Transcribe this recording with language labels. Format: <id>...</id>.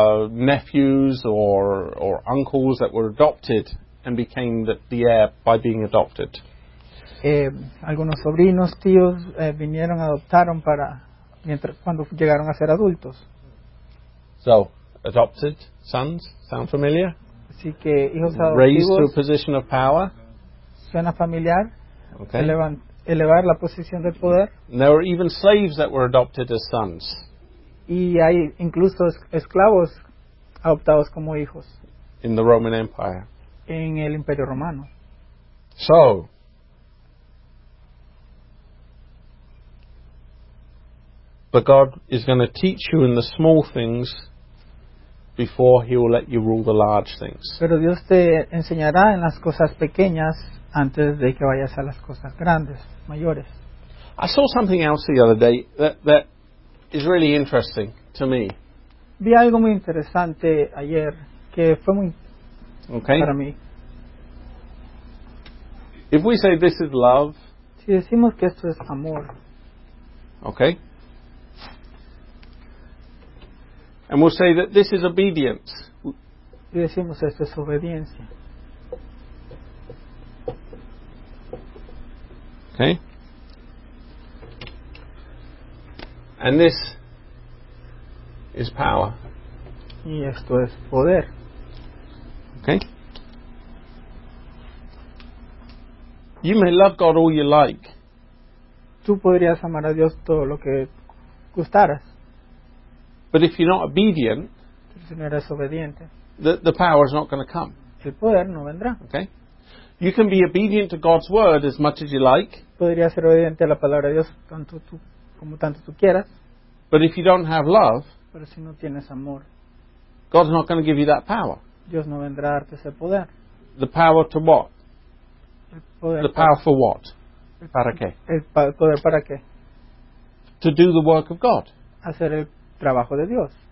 <en>Nephews or uncles that were adopted. And became the heir by being adopted.</en> <es>Algunos sobrinos, tíos, vinieron, adoptaron para mientras cuando llegaron a ser adultos.</es> <en>So, adopted sons, sound familiar?</en> <es>Así que hijos adoptivos.</es> <en>Raised to a position of power.</en> <es>Suena familiar.</es> <en>Okay.</en> <es>Elevar la posición de poder.</es> <en>And there were even slaves that were adopted as sons.</en> <es>Y hay incluso esclavos adoptados como hijos.</es> <en>In the Roman Empire.</en> <es>En el Imperio Romano.</es> <en>So, but God is going to teach you in the small things before he will let you rule the large things.</en> <es>Pero Dios te enseñará en las cosas pequeñas antes de que vayas a las cosas grandes, mayores.</es> <en>I saw something else the other day that is really interesting to me.</en> <es>Vi algo muy interesante ayer que fue muy para mí.</es> <en>If we say this is love,</en> <es>si decimos que esto es amor,</es> <en>okay, and we'll say that this is obedience,</en> <es>y decimos esto es obediencia,</es> <en>okay, and this is power,</en> <es>y esto es poder,</es> <en>okay. You may love God all you like.</en> <es>Tú podrías amar a Dios todo lo que gustaras.</es> <en>But if you're not obedient,</en> <es>si no eres obediente,</es> <en>the power is not going to come.</en> <es>El poder no vendrá.</es> <en>Okay. You can be obedient to God's word as much as you like.</en> <es>Podrías ser obediente a la palabra de Dios tanto tú como tanto tú quieras.</es> <en>But if you don't have love,</en> <es>pero si no tienes amor,</es> <en>God's not going to give you that power.</en> <es>Dios no vendrá a darte ese poder.</es> <en>The power to what? The power for what?</en> <es>Para qué? El poder para qué?</es> <en>To do the work of God.</en> <es>Hacer el trabajo de Dios.</es>